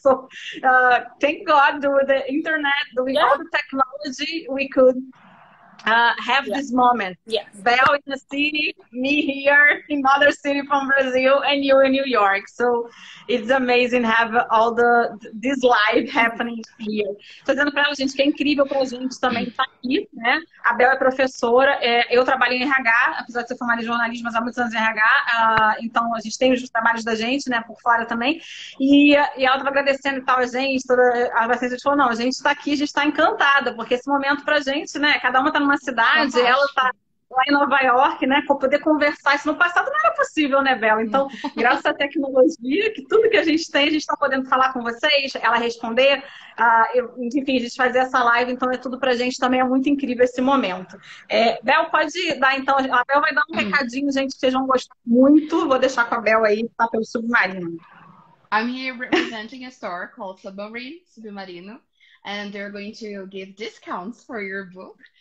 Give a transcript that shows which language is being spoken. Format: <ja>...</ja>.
<en>So thank God with the internet, with all the technology, we could have this moment. Yes. Belle in the city, me here in another city from Brazil, and you in New York. So it's amazing have all the this live happening here.</en> <pt>Fazendo para a gente, que é incrível para a gente também estar aqui, né? A Belle é professora, eu trabalho em RH, apesar de ser formada em jornalismo, mas há muitos anos em RH, então a gente tem os trabalhos da gente, né, por fora também. E ela estava agradecendo e tal, a gente, toda a paciência, falou, não, a gente está aqui, a gente está encantada, porque esse momento para a gente, né, cada uma está numa cidade, ela está lá em Nova York, né, para poder conversar. Isso no passado não era possível, né, Bel? Então, graças à tecnologia, que tudo que a gente tem, a gente está podendo falar com vocês, ela responder, enfim, a gente fazer essa live, então é tudo para a gente também, é muito incrível esse momento. Bel, pode dar, então, a Bel vai dar um recadinho, gente, que vocês vão gostar muito, vou deixar com a Bel aí, tá pelo Submarino.</pt> <en>I'm here representing a store called Submarino, and they're going to give discounts for your book.</en>